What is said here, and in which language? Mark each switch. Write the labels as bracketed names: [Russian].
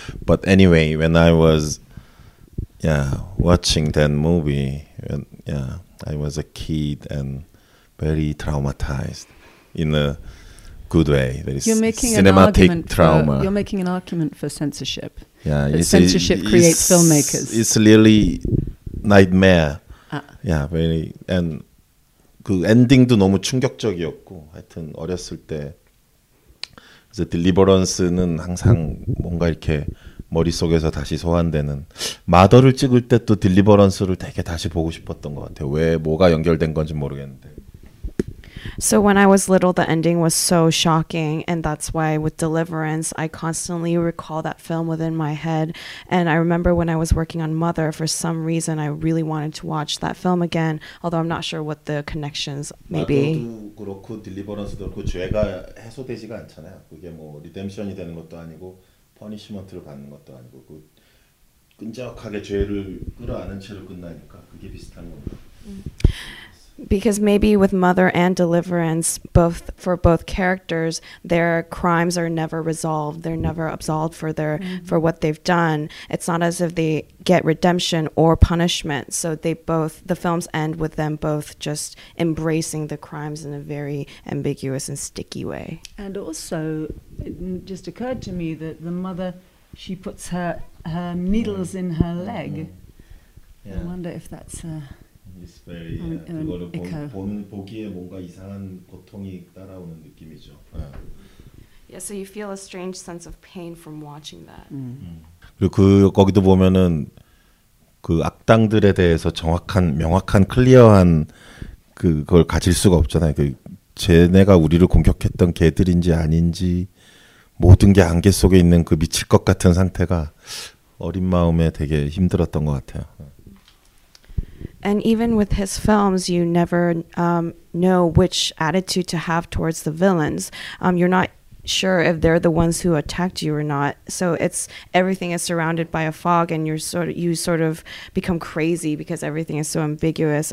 [English] But anyway, when I was... watching that movie, I was a kid and very traumatized in a good way. You're making cinematic trauma. You're making an argument for censorship. Censorship creates filmmakers. It's really nightmare. Very and [Korean] 그 엔딩도 너무 충격적이었고 하여튼 어렸을 때 이제 딜리버런스는 항상 뭔가 이렇게 머릿속에서 다시 소환되는 마더를 찍을 때 또 딜리버런스를 되게 다시 보고 싶었던 것 같아요. 왜 뭐가 연결된 건지 모르겠는데. [English] So when I was little, the ending was so shocking, and that's why with Deliverance, I constantly recall that film within my head. And I remember when I was working on Mother, for some reason, I really wanted to watch that film again, although I'm not sure what the connections may be. [Korean] 마더도 그렇고 딜리버런스도 그렇고 죄가 해소되지가 않잖아요. 그게 뭐 리뎀션이 되는 것도 아니고 퍼니시먼트를 받는 것도 아니고 그 끈적하게 죄를 끌어안은 채로 끝나니까 그게 비슷한 겁니다. [English] Because maybe with Mother and Deliverance, both for both characters, their crimes are never resolved. They're never absolved for their for what they've done. It's not as if they get redemption or punishment. So they both the films end with them both just embracing the crimes in a very ambiguous and sticky way. And also, it just occurred to me that the mother, she puts her needles in her leg. Yeah. I wonder if that's a. It's very, yeah, [Korean] 그거를 보기에 뭔가 이상한 고통이 따라오는 느낌이죠. [English] Yeah, so you feel a strange sense of pain from watching that. [Korean] 그리고 거기도 보면은 그 악당들에 대해서 정확한, 명확한, 클리어한 그걸 가질 수가 없잖아요. 그 쟤네가 우리를 공격했던 개들인지 아닌지 모든 게 안개 속에 있는 그 미칠 것 같은 상태가 어린 마음에 되게 힘들었던 것 같아요. [English] And even with his films, you never know which attitude to have towards the villains. You're not sure if they're the ones who attacked you or not. So it's everything is surrounded by a fog, and you sort of become crazy because everything is so ambiguous.